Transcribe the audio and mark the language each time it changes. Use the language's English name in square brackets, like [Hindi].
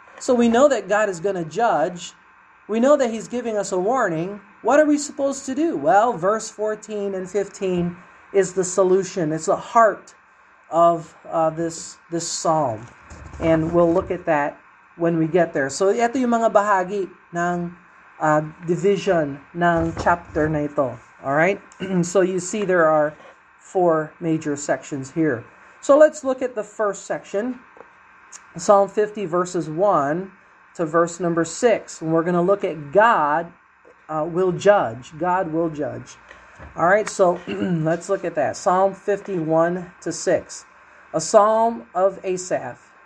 [English] So we know that God is going to judge. We know that he's giving us a warning. What are we supposed to do? Well, verse 14 and 15 is the solution. It's the heart of this psalm. And we'll look at that when we get there. [Filipino] So ito yung mga bahagi ng division ng chapter na ito. [English] Alright? So you see there are 4 major sections here. So let's look at the first section. Psalm 50 verses 1 to verse number 6. And we're going to look at God will judge. God will judge. All right, so let's look at that. Psalm 51 to 6, a psalm of Asaph.